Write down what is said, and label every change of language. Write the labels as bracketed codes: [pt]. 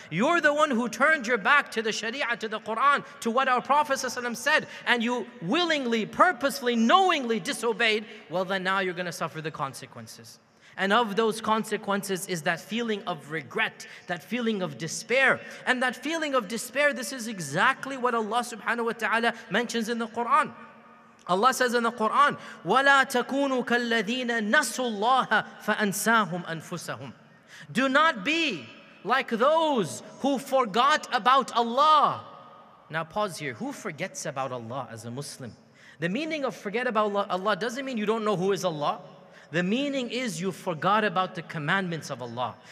[en] You're the one who turned your back to the Sharia, to the Quran, to what our Prophet said, and you willingly, purposefully, knowingly disobeyed. Well, then now you're going to suffer the consequences. And of those consequences is that feeling of regret, that feeling of despair. And that feeling of despair, this is exactly what Allah subhanahu wa ta'ala mentions in the Quran. Allah says in the Quran, [ar] وَلَا تَكُونُوا كَالَّذِينَ نَسُوا اللَّهَ فَأَنْسَاهُمْ أَنفُسَهُمْ. [en] Do not be like those who forgot about Allah. Now pause here. Who forgets about Allah as a Muslim? The meaning of forget about Allah doesn't mean you don't know who is Allah. The meaning is you forgot about the commandments of Allah.